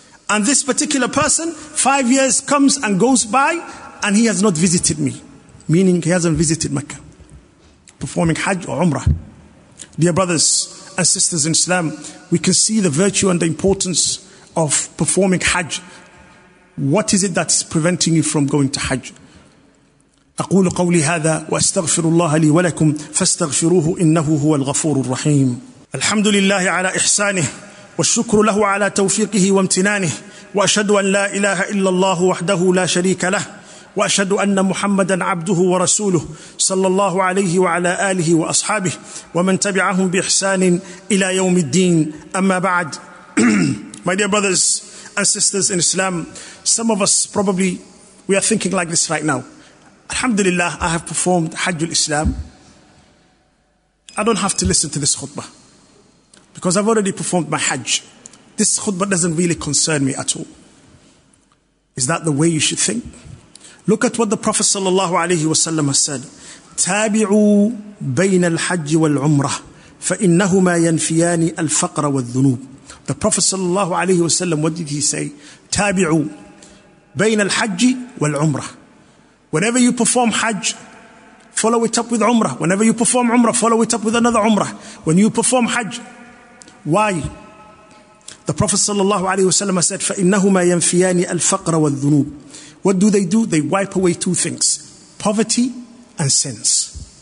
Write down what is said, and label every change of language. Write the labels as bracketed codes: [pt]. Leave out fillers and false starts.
[en] And this particular person, 5 years comes and goes by and he has not visited me. Meaning he hasn't visited Mecca, performing Hajj or Umrah. Dear brothers and sisters in Islam, we can see the virtue and the importance of performing Hajj. What is it that is preventing you from going to Hajj? [ar] أقول قولي هذا وأستغفر الله لي ولكم فاستغفروه إنه هو الغفور الرحيم. الحمد لله على إحسانه والشكر له على توفيقه وامتنانه وأشهد أن لا إله إلا الله وحده لا شريك له وأشهد أن محمدا عبده ورسوله صلى الله عليه وعلى آله وأصحابه ومن تبعهم بإحسان إلى يوم الدين. أما بعد. [en] My dear brothers and sisters in Islam, some of us probably, we are thinking like this right now. Alhamdulillah, I have performed Hajjul Islam. I don't have to listen to this khutbah because I've already performed my hajj. This khutbah doesn't really concern me at all. Is that the way you should think? Look at what the Prophet sallallahu alayhi wa sallam has said. [ar] تابعوا بين الحج والعمرة فإنهما ينفيان الفقر والذنوب. [en] The Prophet sallallahu alayhi wa sallam, what did he say? [ar] تابعوا بين الحج والعمرة. [en] Whenever you perform hajj, follow it up with umrah. Whenever you perform umrah, follow it up with another umrah. When you perform hajj, why? The Prophet sallallahu alayhi wa sallam said, [ar] فَإِنَّهُمَا يَنْفِيَانِ الْفَقْرَ وَالذُّنُوبِ. [en] What do they do? They wipe away two things, poverty and sins.